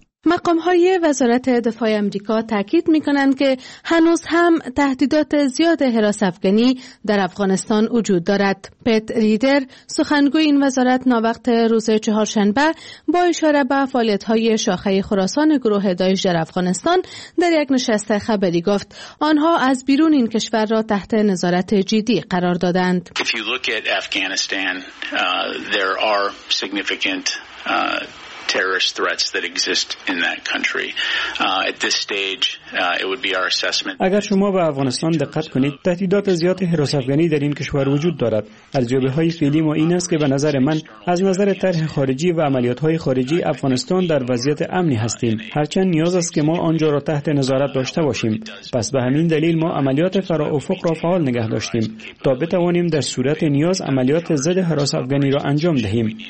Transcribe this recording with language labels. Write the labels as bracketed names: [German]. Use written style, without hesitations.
[Persian] مقام‌های وزارت دفاع آمریکا تأکید می‌کنند که هنوز هم تهدیدات زیاد هراس افغانی در افغانستان وجود دارد. پت ریدر، سخنگوی این وزارت، ناوقت روز چهارشنبه با اشاره به فعالیت‌های شاخه خراسان گروه داعش در افغانستان در یک نشست خبری گفت آنها از بیرون این کشور را تحت نظارت جدی قرار دادند. [English] If you look at Afghanistan, there are significant terrorist threats that exist in that country. At this stage, it would be our assessment. [Persian] اگر شما به افغانستان دقت کنید، تهدیدات زیاد هراس افغانی در این کشور وجود دارد. ارزیابی‌های فعلی ما این است که به نظر من از نظر طرح خارجی و عملیات‌های خارجی افغانستان در وضعیت امنی هستیم. هرچند نیاز است که ما آنجا را تحت نظارت داشته باشیم. پس به همین دلیل ما عملیات فرافق را فعال نگه داشتیم تا بتوانیم در صورت نیاز عملیات ضد هراس افغانی را انجام دهیم.